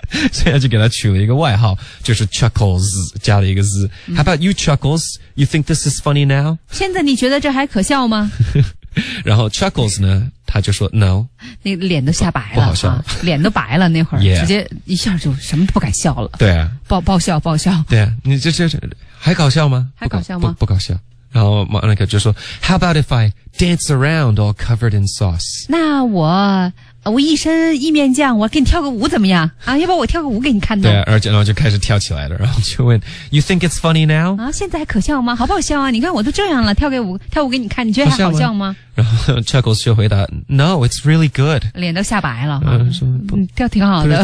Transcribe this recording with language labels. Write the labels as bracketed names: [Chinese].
[Chinese] 所以他就给他取了一个外号，就是 chuckles, 加了一个 z.、嗯、 [English] How about you chuckles? You think this is funny now? [Chinese] 现在你觉得这还可笑吗？然后 chuckles 呢他就说 no, 那脸都吓白了，不好笑、啊、脸都白了那会儿、 yeah. 直接一下就什么都不敢笑了，对啊，爆笑对啊，你这还搞笑吗？还搞笑吗？不搞笑。然后 Monica 就说 [English] How about if I dance around all covered in sauce? [Chinese] 那我一身意面酱，我给你跳个舞怎么样啊？要不我跳个舞给你看呢？对啊，然后就开始跳起来了，然后就问 [English] You think it's funny now? [Chinese] 啊，现在还可笑吗？好不好笑啊？你看我都这样了，跳舞给你看，你觉得还好笑吗？然后 Chuckles 就回答 [English] No, it's really good. [Chinese] 脸都吓白了，说跳挺好的，